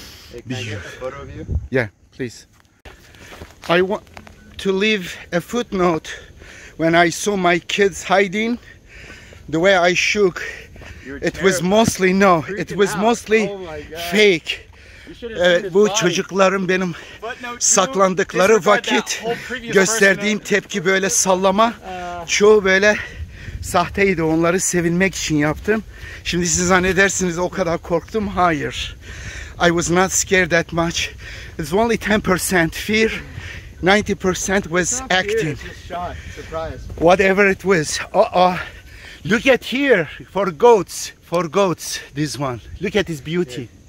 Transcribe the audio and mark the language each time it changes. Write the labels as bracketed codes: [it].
[en] Hey, can I get a photo of you? Yeah, please. I want to leave a footnote. When I saw my kids hiding, the way I shook, it was mostly no. It was mostly fake. [tr] Bu çocukların benim saklandıkları vakit gösterdiğim tepki böyle sallama, çoğu böyle sahteydi. Onları sevinmek için yaptım. Şimdi siz zannedersiniz o kadar korktum. Hayır. [en] I was not scared that much. It's only 10% fear. 90% was it's acting. Here, it's just shot, surprise. Whatever it was. Look at here, for goats, this one. Look at this beauty.